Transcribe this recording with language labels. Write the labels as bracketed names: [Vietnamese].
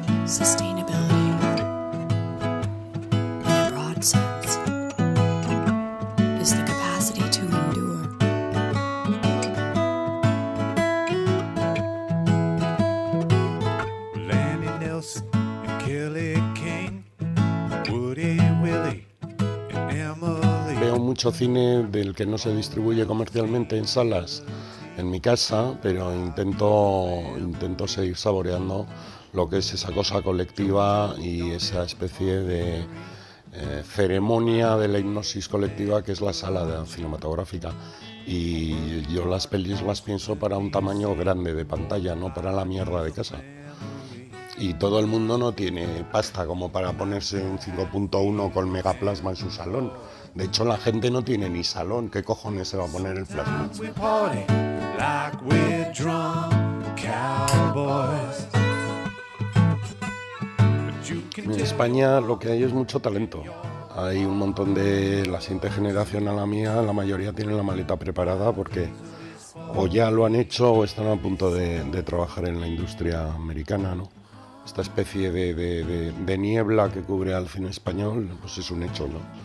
[English] sustainability in a broad sense is the capacity to endure. Lanny Nelson and Kelly King, Woody Willie and Emily. [Spanish] Veo mucho cine del que no se distribuye comercialmente en salas en mi casa, pero intento seguir saboreando lo que es esa cosa colectiva y esa especie de ceremonia de la hipnosis colectiva que es la sala cinematográfica. Y yo las pelis las pienso para un tamaño grande de pantalla, no para la mierda de casa. Y todo el mundo no tiene pasta como para ponerse un 5.1 con megaplasma en su salón. De hecho, la gente no tiene ni salón. ¿Qué cojones se va a poner el plasma? [English] Like we're drunk cowboys. [Spanish] En España lo que hay es mucho talento. Hay un montón de la siguiente generación a la mía, la mayoría tienen la maleta preparada porque o ya lo han hecho o están a punto de trabajar en la industria americana, ¿no? Esta especie de niebla que cubre al cine español, pues es un hecho, ¿no?